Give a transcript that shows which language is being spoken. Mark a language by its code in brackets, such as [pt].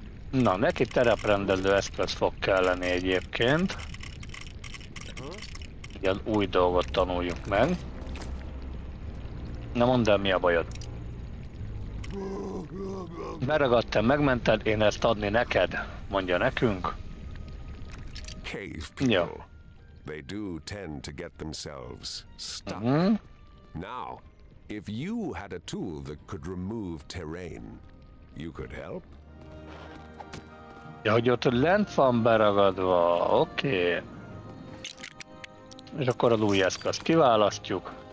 [hu] Na, neki tereprendező eszköz fog kelleni egyébként. Ilyen új dolgot tanuljuk meg. Na, mondd el, mi a bajod. Beragadt, te megmented, én ezt adni neked, mondja nekünk. Jó. [en] They do tend to get themselves stuck. Mm-hmm. Now, if you had a tool that could remove terrain, you could help. [hu] Ja, hogy ott lent van beragadva, oké. [en] Okay. [hu] És akkor az új eszközt kiválasztjuk.